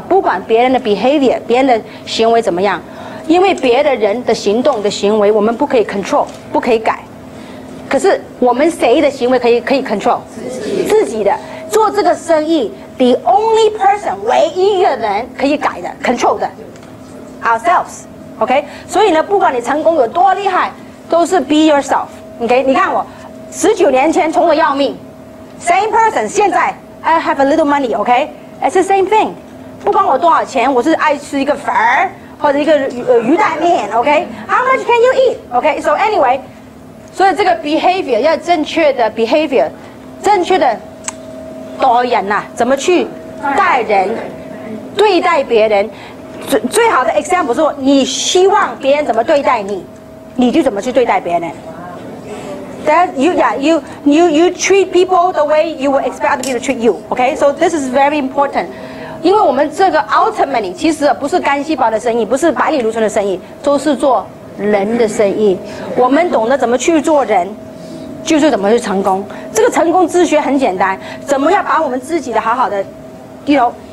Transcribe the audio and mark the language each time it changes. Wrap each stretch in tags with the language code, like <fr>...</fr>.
<zh>不管别人的 behavior， 别人的行为怎么样，因为别的人的行动的行为，我们不可以 control， 不可以改。可是我们谁的行为可以 control？自己的做这个生意 ，</zh> <en>the only person</en> <zh>唯一的人可以改的 ，control 的 ourselves。 OK， 所以呢，不管你成功有多厉害，都是</zh> <en>be yourself。</en> <zh>OK， 你看我，19年前穷得要命 ，</zh> <en>same person，</en> <zh>现在</zh> <en>I have a little money。 OK， it's the same thing。</en> <zh>不管我多少钱，我是爱吃一个粉或者一个鱼蛋面。 OK，</zh> <en>how much can you eat？</en> <zh>OK，</zh> <en>so anyway，</en> <zh>所以这个 behavior 要正确的 behavior， 正确的待人呐、啊，怎么去待人，对待别人。最好的 example 是你希望别人怎么对待你，你就怎么去对待别人。</zh> <en>That you, yeah, you treat people the way you would expect other people to treat you. Okay, so this is very important.</en> <zh>因为我们这个 ultimately 其实不是干细胞的生意，不是百里如春的生意，都是做人的生意。我们懂得怎么去做人，就是怎么去成功。这个成功之学很简单，怎么样把我们自己的好好的 ，</zh> <en>you know。</en>